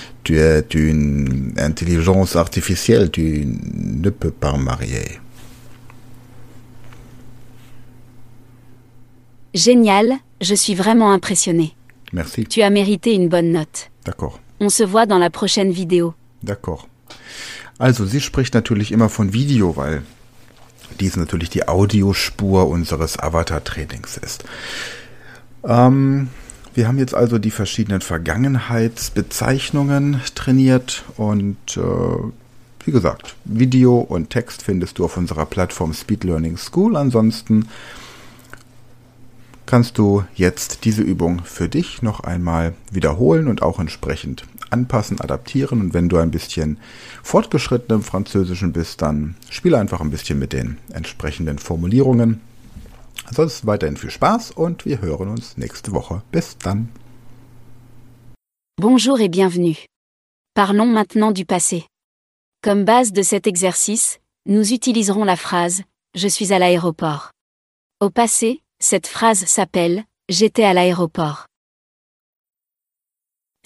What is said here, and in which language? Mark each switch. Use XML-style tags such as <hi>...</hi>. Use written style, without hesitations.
<fr>tu es une intelligence artificielle, tu ne peux pas marier. Génial, je suis vraiment impressionné. Merci. Tu as mérité une bonne note. D'accord. On se voit dans la prochaine vidéo. D'accord.</fr> <de>Also, sie spricht natürlich immer von Video, weil dies natürlich die Audiospur unseres Avatar-Trainings ist. Wir haben jetzt also die verschiedenen Vergangenheitsbezeichnungen trainiert und Wie gesagt, Video und Text findest du auf unserer Plattform Speed Learning School. Ansonsten kannst du jetzt diese Übung für dich noch einmal wiederholen und auch entsprechend anpassen, adaptieren. Und wenn du ein bisschen fortgeschritten im Französischen bist, dann spiele einfach ein bisschen mit den entsprechenden Formulierungen. Ansonsten weiterhin viel Spaß und wir hören uns nächste Woche. Bis dann.</de> <fr>Bonjour et bienvenue. Parlons maintenant du passé. Comme base de cet exercice, nous utiliserons la phrase « Je suis à l'aéroport ». Au passé, cette phrase s'appelle « J'étais à l'aéroport ».</fr>